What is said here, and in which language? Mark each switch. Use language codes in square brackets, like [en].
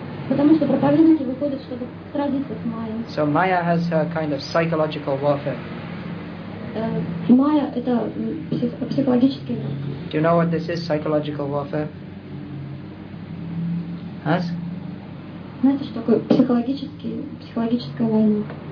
[ru] Потому что проповедники выходят, чтобы сразиться с Майя. [en] So Maya has her kind of psychological warfare. [ru] Майя — это психологический враг. [en] Do you know what this is, psychological warfare? Us? [ru] Знаете, что такое психологическая война?